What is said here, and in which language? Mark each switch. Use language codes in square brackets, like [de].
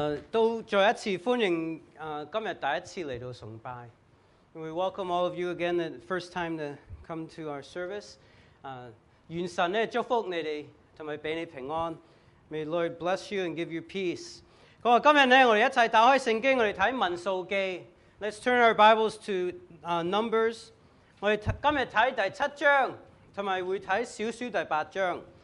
[yue] 都再一次歡迎今日第一次嚟到崇拜。 [en] We welcome all of you again the first time to come to our service. [yue] 願神咧祝福你哋，同埋俾你平安。 [en] May the Lord bless you and give you peace. [yue] 咁啊，今日咧我哋一齊打開聖經，我哋睇民數記。 [en] Let's turn our Bibles to Numbers. [yue] 我哋今日睇第七章，同埋會睇少少第八章。